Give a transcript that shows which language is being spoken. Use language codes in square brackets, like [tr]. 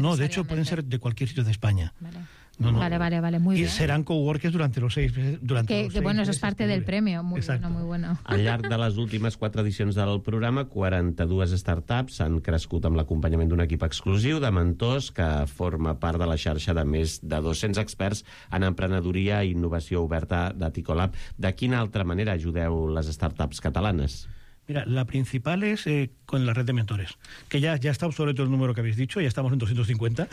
[es] No, de hecho pueden ser de cualquier sitio de España. Vale. No. Vale, muy y bien. Y serán coworkers durante los seis meses. Que bueno, eso es parte del premio, muy bueno. [ca] Al llarg de les últimes quatre edicions del programa, 42 startups han crescut amb l'acompanyament d'un equip exclusiu de mentors que forma part de la xarxa de més de 200 experts en emprenedoria i innovació oberta de Ticolab. De quina altra manera ajudeu les startups catalanes? [es] Mira, la principal es con la red de mentores, que ya está obsoleto el número que habéis dicho, ya estamos en 250.